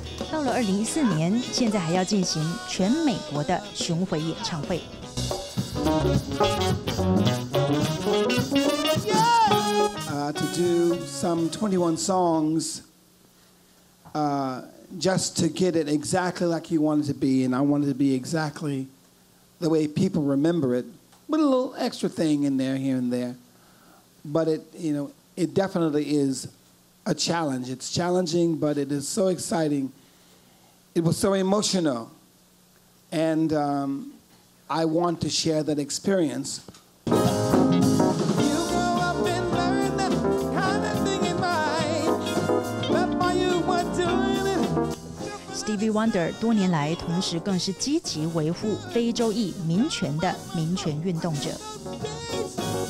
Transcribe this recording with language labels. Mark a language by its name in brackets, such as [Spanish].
[Chinese] 2014年，现在还要进行全美国的巡回演唱会。 [English] To do some 21 songs, just to get it exactly like you want it to be, and I want it to be exactly the way people remember it, with a little extra thing in there, here and there. But it, you know, it definitely is a challenge. It's challenging, but it is so exciting. It was so emotional, and I want to share that experience. You grow up and learn that kind of thing in mind. That's why you were doing it. [Chinese] Stevie Wonder 多年来同时更是积极维护非洲裔民权的民权运动者。